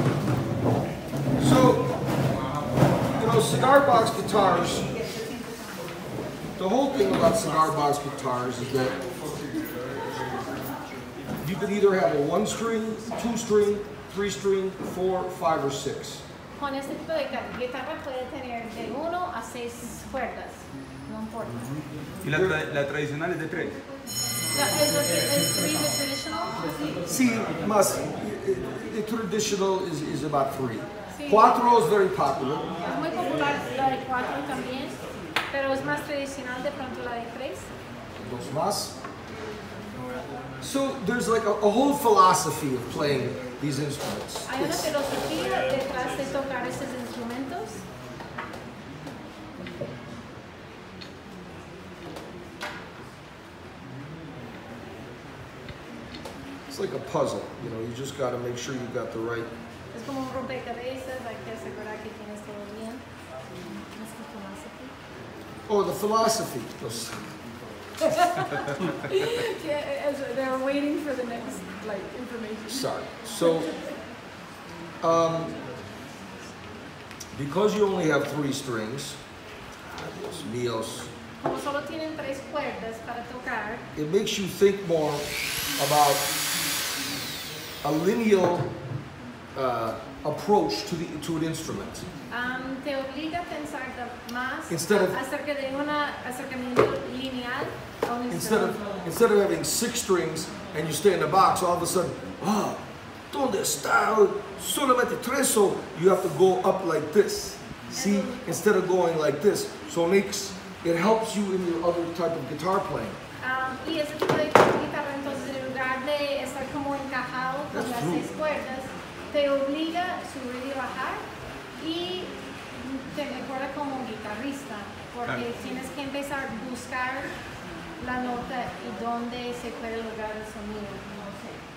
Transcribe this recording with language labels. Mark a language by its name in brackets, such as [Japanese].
[English] So, you know, Cigar Box Guitars, the whole thing about Cigar Box Guitars is that you can either have a one string, two string, three string, four, five, or six. [Spanish] Con este tipo de guitarra puede tener de 1 a 6 cuerdas, no importa. ¿Y la tradicional es de 3? ¿Es 3 la traditional? Sí, más. [English] the traditional is about three. [Spanish] Cuatro [English] is very popular. [Spanish] Es muy popular la de cuatro también, pero es más tradicional de pronto la de tres. Dos más. [English] So there's like a whole philosophy of playing these instruments. [Spanish] Hay una filosofía detrás de tocar estos instrumentos. [English] It's like a puzzle, you know, you just got to make sure you've got the right. [Spanish] Es como un rompecabezas, hay que asegurar que tienes todo bien. [English] Oh, the philosophy. They're waiting for the next like information. Sorry. So, because you only have three strings, [Spanish] Dios míos. Como solo tienen tres cuerdas para tocar. [English] It makes you think more about a lineal approach to an instrument. [Spanish] Te obliga a pensar más [English] instead of, [Spanish] acerca de una acercamiento lineal. [English] Instead of having six strings and you stay in the box, all of a sudden, [Spanish] oh, donde está solamente tres, [English] so you have to go up like this. See, instead of going like this, so it helps you in your other type of guitar playing. [Spanish] Y ese tipo de guitarra, entonces, en lugar de estar como encajado con las seis cuerdas, te obliga a subir y bajar y te mejora como guitarrista, porque tienes que empezar a buscar la nota y dónde se puede lograr el sonido, no sé.